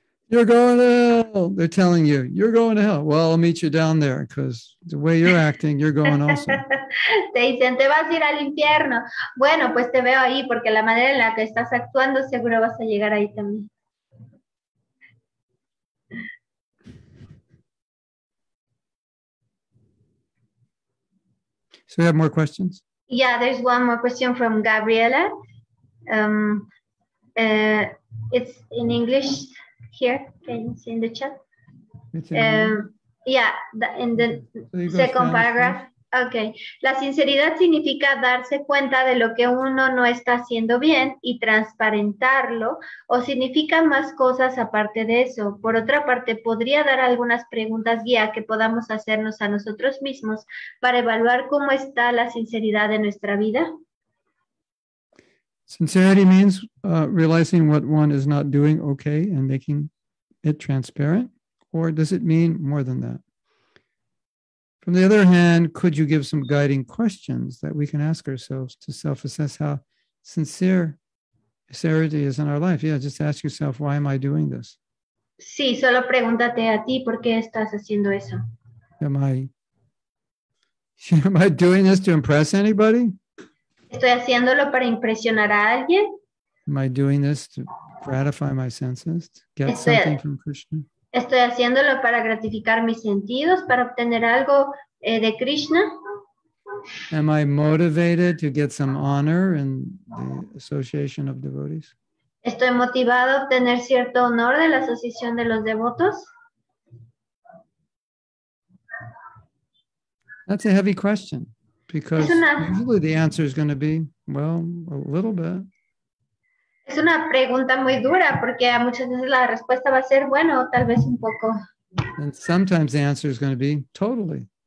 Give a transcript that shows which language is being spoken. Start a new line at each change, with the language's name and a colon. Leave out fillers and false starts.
English: You're going to hell. They're telling you, you're going to hell. Well, I'll meet you down there because the way you're acting, you're going also.
Spanish: Te dicen, te vas a ir al infierno. Bueno, pues te veo ahí porque la manera en la que estás actuando seguro vas a llegar ahí también.
English: So we have more questions? Yeah, there's one more question from Gabriela. It's in English here. Can you see in the chat? In the second paragraph. Okay.
Spanish: La sinceridad significa darse cuenta de lo que uno no está haciendo bien y transparentarlo, o significa más cosas aparte de eso. Por otra parte, ¿podría dar algunas preguntas guía que podamos hacernos a nosotros mismos para evaluar cómo está la sinceridad de nuestra vida?
English: Sincerity means realizing what one is not doing okay and making it transparent, or does it mean more than that? From the other hand, could you give some guiding questions that we can ask ourselves to self-assess how sincerity is in our life? Yeah, just ask yourself, why am I doing this?
Spanish: Sí, solo pregúntate a ti, ¿por qué estás haciendo eso?
English: Am I doing this to impress anybody?
Spanish: ¿Estoy haciéndolo para impresionar a alguien?
English: Am I doing this to gratify my senses, to get something from Krishna?
Spanish: ¿Estoy haciéndolo para gratificar mis sentidos, para obtener algo de Krishna?
English: Am I motivated to get some honor in the association of devotees?
Spanish: ¿Estoy motivado a obtener cierto honor de la asociación de los devotos?
English: That's a heavy question, because usually the answer is going to be, well, a little bit.
Spanish: Es una pregunta muy dura porque a muchas veces la respuesta va a ser bueno, tal vez un poco.
English: And sometimes the answer is going to be totally.